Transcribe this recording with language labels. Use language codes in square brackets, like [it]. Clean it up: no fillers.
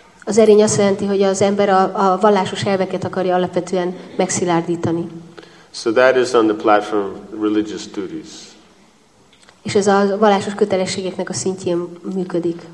[hu] Az erény azt jelenti, hogy az ember a vallásos elveket akarja alapvetően megszilárdítani. [en] So that is on the platform of religious duties. [hu] És ez a vallásos kötelességeknek a szintjén működik.